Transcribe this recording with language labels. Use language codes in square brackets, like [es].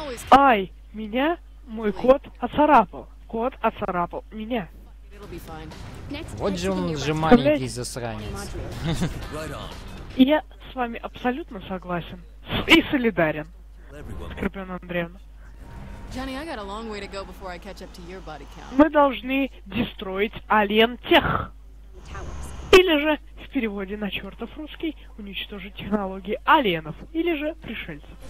[ru] Ай, меня мой кот оцарапал. Кот оцарапал меня. Вот же он же маленький засранец. Я с вами абсолютно согласен. И солидарен. Скорпион Андреевна. [en] Johnny, I got a long way to go before I catch up to your body count. [ru] Мы должны дестроить Alien Tech. Или же, в переводе на чертов русский, уничтожить технологии алиенов, или же пришельцев.